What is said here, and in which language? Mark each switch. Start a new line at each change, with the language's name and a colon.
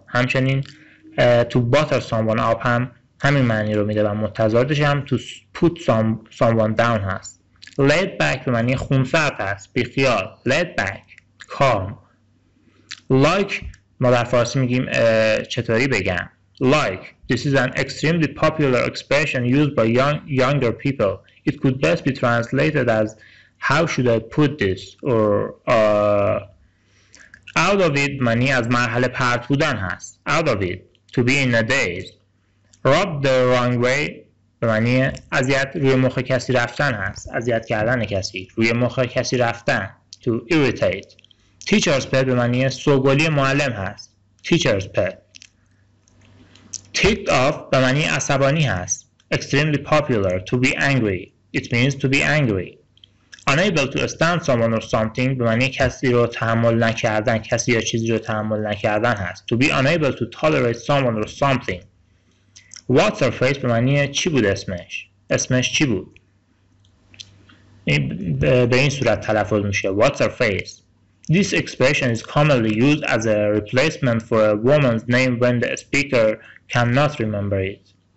Persian: همچنین
English: to butter someone up
Persian: هم همین معنی رو میده و متضادش هم
English: to put someone down
Persian: هست.
English: Laid back
Persian: به معنی خونسرد هست. بیخیال.
English: Laid back. Calm. Like
Persian: ما در فارسی میگیم چطوری بگم.
English: Like, this is an extremely popular expression used by younger people. It could best be translated as, how should I put this? Or, out of it, money as
Persian: مرحله پرت بودن هست.
English: Out of it, to be in a daze. Rub the wrong way,
Persian: به معنی اذیت روی مخ کسی رفتن هست. اذیت کردن کسی. روی مخ کسی رفتن.
English: To irritate. Teacher's pet
Persian: به معنی سوگلی معلم هست.
English: Teacher's pet. Ticked off
Persian: به معنی عصبانی هست.
English: Extremely popular. To be angry. It means to be angry. Unable to stand someone or something
Persian: به معنی کسی رو تحمل نکردن. کسی یا چیزی رو تحمل نکردن هست.
English: To be unable to tolerate someone or something. What's her face
Persian: به معنی چی بود اسمش؟ اسمش چی بود؟ به این صورت تلفظ میشه.
English: What's her face? This expression is commonly used as a replacement for a woman's name when the speaker cannot remember it.